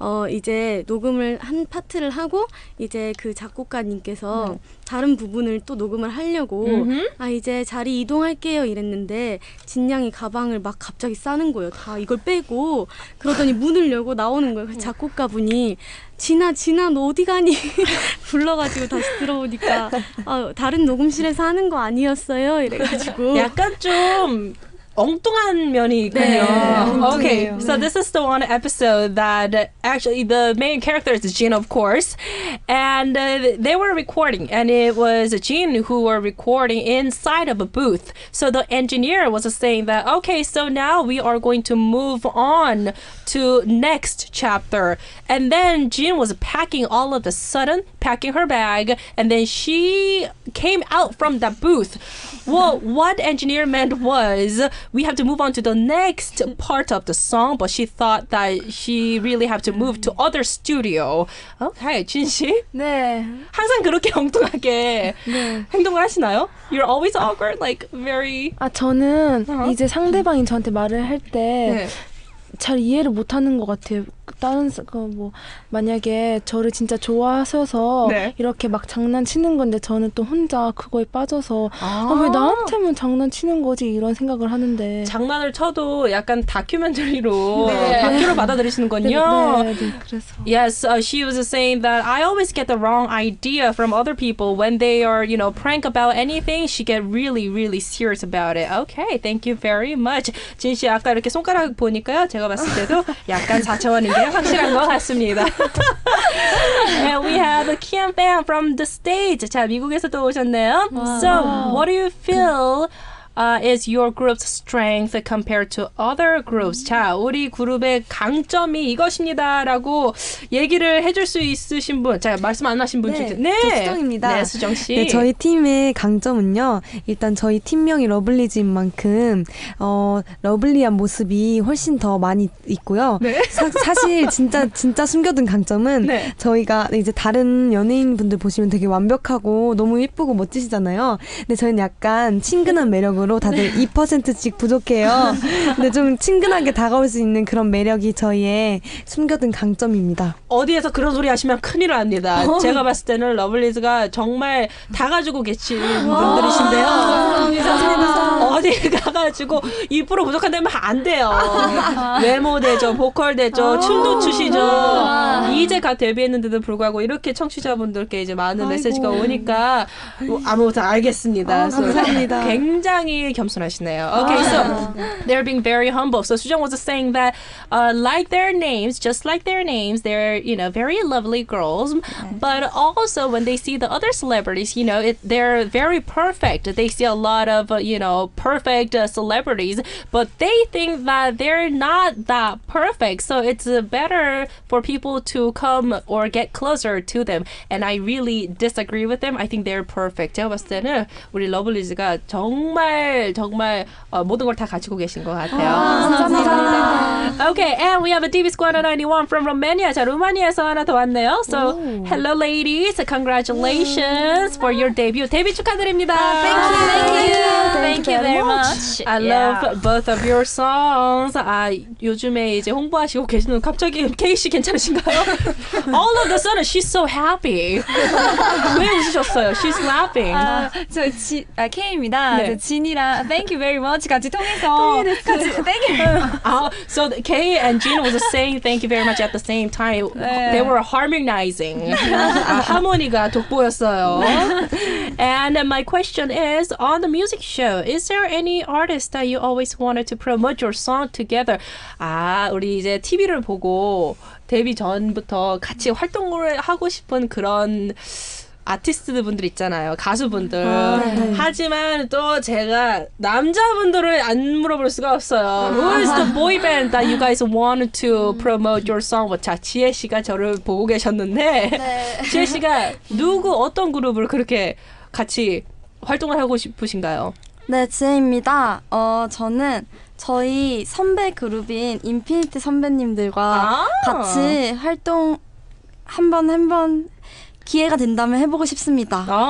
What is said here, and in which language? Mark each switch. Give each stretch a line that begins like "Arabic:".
Korean: 이제 녹음을 한 파트를 하고 이제 그 작곡가님께서 다른 부분을 또 녹음을 하려고 아 이제 자리 이동할게요 이랬는데 진 양이 가방을 막 갑자기 싸는 거예요. 다 이걸 빼고 그러더니 문을 열고 나오는 거예요. 그 작곡가분이 진아 진아 너 어디 가니? 불러가지고 다시 들어보니까 다른 녹음실에서 하는 거 아니었어요? 이래가지고 약간 좀 엉뚱한 면이 있군요. 네,
English: okay, so this is the one episode that actually the main character is Jin, of course, and they were recording, and it was Jin who were recording inside of a booth. So the engineer was saying that, okay, so now we are going to move on to next chapter, and then Jin was packing all of a sudden, packing her bag, and then she came out from the booth. Well, what engineer meant was we have to move on to the next part of the song, but she thought that she really have to move to other studio.
Korean: Okay, Jin 씨. 네. 항상 그렇게 엉뚱하게 네. 행동을 하시나요?
English: You're always awkward, like very.
Korean: 아 저는 이제 상대방이 저한테 말을 할 때 네. 잘 이해를 못 하는 것 같아요. 다른 그 뭐 만약에 저를 진짜 좋아하셔서 네. 이렇게 막 장난치는 건데 저는 또 혼자 그거에 빠져서 왜 나한테만 장난치는 거지 이런 생각을 하는데 장난을 쳐도 약간 다큐멘터리로 다큐로 네. 받아들이시는군요. 네, 네, 그래서
English: Yes, she was saying that I always get the wrong idea from other people when they are, you know, prank about anything. She get really, really serious about it. Okay, thank you very much.
Korean: 진 씨 아까 이렇게 손가락 보니까요. 제가 봤을 때도 약간 4차원인 게 확실한 것 같습니다.
English: And we have Kim Bam from the stage.
Korean: 자, 미국에서도 오셨네요.
English: So, what do you feel is your group's strength compared to other groups?
Korean: 자, 우리 그룹의 강점이 이것입니다라고 얘기를 해줄 수 있으신 분, 자, 말씀 안 하신 분 중에 네, 수정입니다. 네, 수정 씨. 네, 저희 팀의 강점은요, 일단 저희 팀명이 러블리즈인 만큼 러블리한 모습이 훨씬 더 많이 있고요. 네. 사실 진짜 숨겨둔 강점은 네. 저희가 이제 다른 연예인 분들 보시면 되게 완벽하고 너무 예쁘고 멋지시잖아요. 근데 저희는 약간 친근한 매력 으로 다들 2%씩 부족해요. 근데 좀 친근하게 다가올 수 있는 그런 매력이 저희의 숨겨둔 강점입니다. 어디에서 그런 소리 하시면 큰일 납니다. 제가 봤을 때는 러블리즈가 정말 다 가지고 계신 분들이신데요. 감사합니다. 어디 가가지고 2% 부족한데 하면 안 돼요. 외모 대죠, 보컬 대죠, 춤도 추시죠. 이제 가 데뷔했는데도 불구하고 이렇게 청취자분들께 이제 많은 아이고. 메시지가 오니까 아무튼 알겠습니다. 감사합니다. 굉장히 겸손하시네요.
English: Okay, so they're being very humble. So Sujeong was saying that like their names, just like their names, they're, you know, very lovely girls. But also when they see the other celebrities, you know, they're very perfect. They see a lot of, you know, perfect celebrities, but they think that they're not that perfect. So it's better for people to come or get closer to them. And I really disagree with them. I think they're perfect.
Korean: 제가 봤을 때는 우리 러블리즈가 정말 모든 걸 다 가지고 계신 것 같아요. 감사합니다.
English: Okay, and we have a DB Squad 91 from Romania.
Korean: 자, 루마니아에서 하나 더 왔네요.
English: So, hello ladies. Congratulations for your debut.
Korean: 데뷔 축하드립니다.
English: Thank you very much. I love both of your songs.
Korean: 아, 요즘에 이제 홍보하시고 계시는 갑자기 케이씨 괜찮으신가요?
English: All of a sudden, she's so happy.
Korean: 왜 웃으셨어요?
English: She's laughing.
Korean: 저 K입니다. 네. 진이랑
English: Thank you very much
Korean: 같이 통해서 같이
English: Thank you. So K and Jin was saying Thank you very much at the same time. 네. They were harmonizing.
Korean: 아, 하모니가 돋보였어요.
English: And my question is, on the music show, is there any artist that you always wanted to promote your song together?
Korean: 아, 우리 이제 TV를 보고 데뷔 전부터 같이 활동을 하고 싶은 그런 아티스트분들 있잖아요. 가수분들. 아, 네. 하지만 또 제가 남자분들을 안 물어볼 수가 없어요.
English: Who is the boy band that you guys want to promote your song?
Korean: 자, 지혜 씨가 저를 보고 계셨는데 네. 지혜 씨가 누구 어떤 그룹을 그렇게 같이 활동을 하고 싶으신가요? 네, 지혜입니다. 저는 저희 선배 그룹인 인피니트 선배님들과 같이 활동 한번 기회가 된다면 해보고 싶습니다.